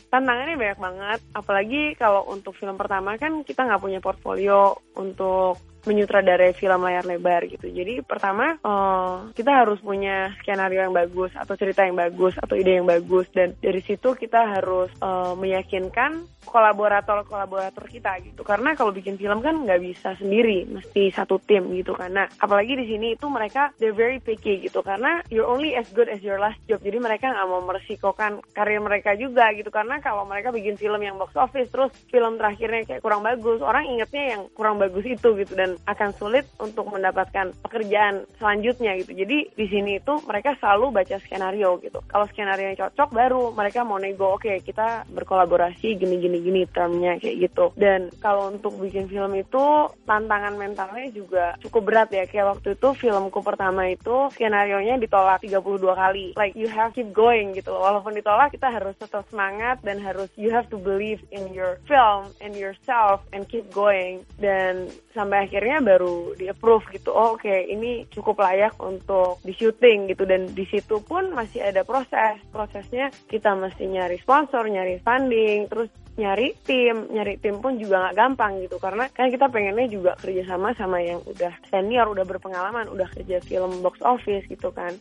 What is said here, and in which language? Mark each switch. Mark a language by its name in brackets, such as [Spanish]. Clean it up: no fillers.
[Indonesian] Tantangannya banyak banget. Apalagi kalau untuk film pertama kan kita nggak punya portfolio untuk menyutradarai film layar lebar gitu. Jadi pertama kita harus punya skenario yang bagus atau cerita yang bagus atau ide yang bagus, dan dari situ kita harus meyakinkan kolaborator-kolaborator kita gitu. Karena kalau bikin film kan nggak bisa sendiri, mesti satu tim gitu. Karena apalagi di sini itu mereka [English] they're very picky [Indonesian] gitu, karena [English] you're only as good as your last job. [Indonesian] Jadi mereka nggak mau meresikokan karir mereka juga gitu. Karena kalau mereka bikin film yang box office terus film terakhirnya kayak kurang bagus, orang ingetnya yang kurang bagus itu gitu, dan akan sulit untuk mendapatkan pekerjaan selanjutnya gitu. Jadi di sini itu mereka selalu baca skenario gitu. Kalau skenario yang cocok baru mereka mau nego, oke, kita berkolaborasi gini-gini termnya kayak gitu. Dan kalau untuk bikin film itu tantangan mentalnya juga cukup berat ya. Kayak waktu itu filmku pertama itu skenarionya ditolak 32 kali. [English] Like you have to keep going [Indonesian] gitu. Walaupun ditolak kita harus tetap semangat dan harus [English] you have to believe in your film and yourself and keep going. [Indonesian] Dan sampai akhirnya baru di approve gitu. Oh, oke, ini cukup layak untuk di syuting gitu. Dan di situ pun masih ada proses. Prosesnya kita mesti nyari sponsor, nyari funding, terus nyari tim pun juga nggak gampang gitu, karena kan kita pengennya juga kerjasama sama yang udah senior, udah berpengalaman, udah kerja film box office gitu kan.